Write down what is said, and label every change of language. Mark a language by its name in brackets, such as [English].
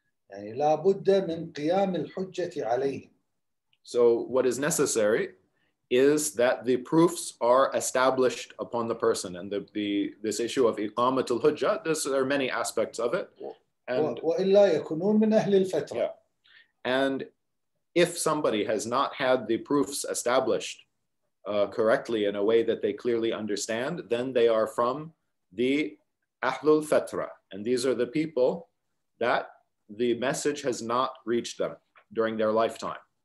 [Arabic] يعني لا بد من قيام الحجة عليهم. [English] So what is necessary is that the proofs are established upon the person, and this issue of [Arabic] إقامة الحجة, [English] there are many aspects of it. And [Arabic] وإلا يكونون من أهل الفترة. [English] Yeah. And if somebody has not had the proofs established correctly in a way that they clearly understand, then they are from the Ahlul Fatra. And these are the people that the message has not reached them during their lifetime.